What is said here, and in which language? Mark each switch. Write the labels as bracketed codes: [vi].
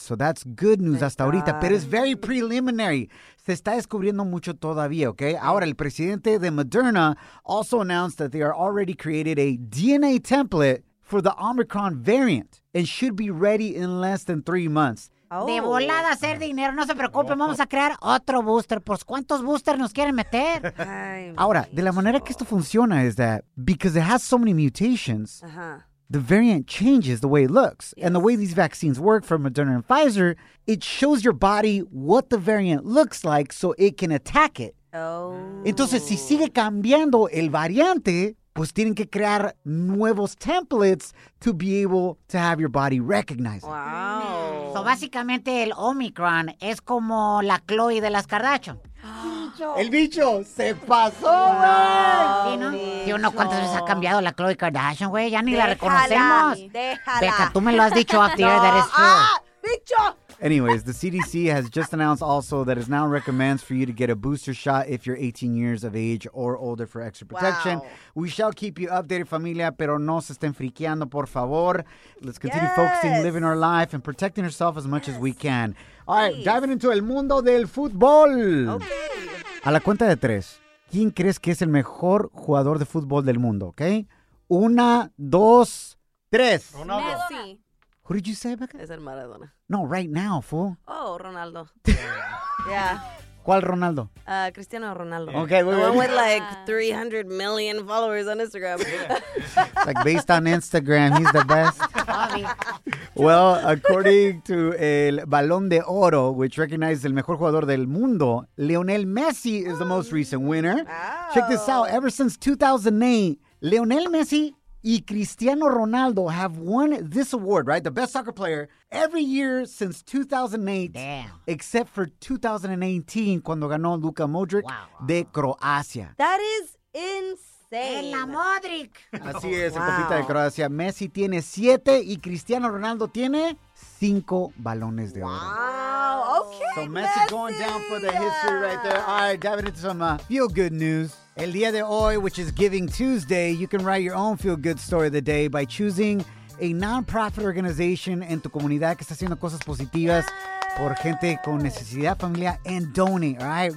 [en] So that's good news [es] hasta ahorita, pero [en] it's very preliminary. [es] Se está descubriendo mucho todavía, [en] okay? [es] Ahora, el presidente de Moderna [en] also announced that they are already created a DNA template for the Omicron variant and should be ready in less than 3 months. Oh. [es] De volada hacer dinero, no se preocupen, vamos a crear otro booster. Pues, ¿cuántos boosters nos quieren meter? Ahora, de la manera que esto funciona es [en] that because it has so many mutations, the variant changes the way it looks. Yes. And the way these vaccines work for Moderna and Pfizer, it shows your body what the variant looks like so it can attack it. [es] Entonces, si sigue cambiando el variante, pues tienen que crear nuevos templates [en] to be able to have your body recognize it. Wow. [es] So, básicamente, el Omicron es como la Chloe de las Kardashian. ¡El bicho! ¡Se pasó, güey! Wow, ¿Y uno cuántas veces ha cambiado la Chloe Kardashian, güey? Ya ni la reconocemos. ¡Déjala! [en] Beca, [es] tú me lo has dicho [en] off the air, that is true. [es] ¡Bicho! [en] Anyways, the CDC has just announced also that it now recommends for you to get a booster shot if you're 18 years of age or older for extra protection. Wow. We shall keep you updated, familia, [es] pero no se estén friqueando, por favor. [en] Let's continue focusing, living our life, and protecting ourselves as much as we can. All right, diving into [es] el mundo del fútbol. [en] Okay. [es] A la cuenta de tres, ¿quién crees que es el mejor jugador de fútbol del mundo? Okay. Una, dos, tres. Ronaldo. Messi. [en] Who did you say, Becca? [es] Es el Maradona. [en] No, right now, fool. Oh, Ronaldo. [es] ¿Cuál Ronaldo? Cristiano Ronaldo. [en] Yeah. Okay, the one with like 300 million followers on Instagram. It's like based on Instagram, he's the best. Well, according to el Balón de Oro, which recognized [es] el mejor jugador del mundo, [en] Lionel Messi is the most recent winner. Oh. Check this out. Ever since 2008, Lionel Messi y Cristiano Ronaldo have won this award, right? The best soccer player every year since 2008. Damn. Except for 2018, [es] cuando ganó Luka Modric de Croacia. [en] That is insane. [es] En la Modric. Así es, el compita de Croacia. Messi tiene 7 y Cristiano Ronaldo tiene 5 balones de oro. [en] Wow, okay, so Messi going down for the history right there. All right, diving into some feel-good news. [es] El día de hoy, [en] which is Giving Tuesday, you can write your own feel-good story of the day by choosing a non-profit organization [es] en tu comunidad que está haciendo cosas positivas por gente con necesidad, familia, [en] and donate, all right?